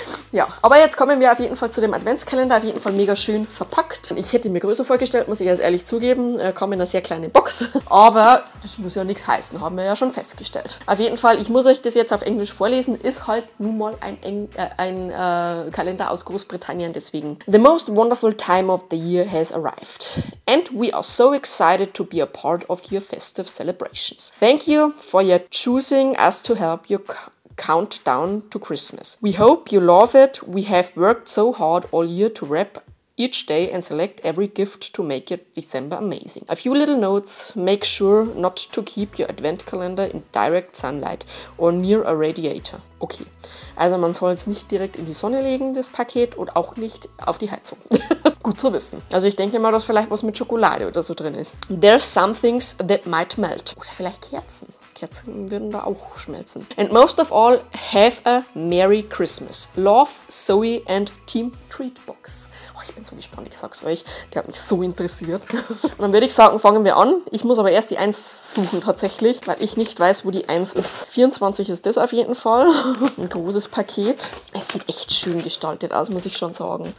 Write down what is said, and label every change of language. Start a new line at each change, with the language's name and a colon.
German: Ja, aber jetzt kommen wir auf jeden Fall zu dem Adventskalender, auf jeden Fall mega schön verpackt. Ich hätte mir größer vorgestellt, muss ich ganz ehrlich zugeben, er kam in einer sehr kleinen Box. Aber das muss ja nichts heißen, haben wir ja schon festgestellt. Auf jeden Fall, ich muss euch das jetzt auf Englisch vorlesen, ist halt nun mal ein Kalender aus Großbritannien, deswegen.
English: The most wonderful time of the year has arrived. And we are so excited to be a part of your festive celebrations. Thank you for your choosing us to help you countdown to Christmas. We hope you love it. We have worked so hard all year to wrap each day and select every gift to make your December amazing. A few little notes. Make sure not to keep your advent calendar in direct sunlight or near a radiator. Okay.
German: Also man soll es nicht direkt in die Sonne legen, das Paket, und auch nicht auf die Heizung. Gut zu wissen. Also ich denke mal, dass vielleicht was mit Schokolade oder so drin ist.
English: There's some things that might melt.
German: Oder vielleicht Kerzen. Kerzen würden da auch schmelzen.
English: And most of all, have a Merry Christmas. Love, Zoe and Team Treatbox.
German: Oh, ich bin so gespannt, ich sag's euch. Der hat mich so interessiert. Und dann würde ich sagen, fangen wir an. Ich muss aber erst die 1 suchen tatsächlich, weil ich nicht weiß, wo die 1 ist. 24 ist das auf jeden Fall. Ein großes Paket. Es sieht echt schön gestaltet aus, muss ich schon sagen.